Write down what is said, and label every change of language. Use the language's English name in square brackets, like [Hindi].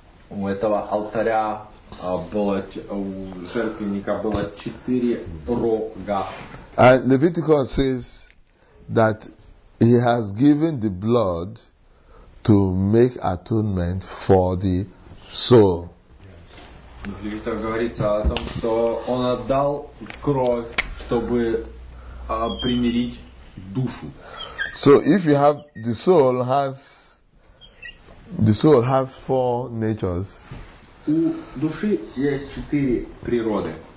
[Russian] У этого алтаря было у жертвенника было четыре рога. [English] And Leviticus says that He has given the blood to make atonement for the soul. [Russian] Это говорится о том, что он отдал кровь, чтобы примирить душу. [English] So if you have the soul has four natures. [Russian] У души есть четыре природы.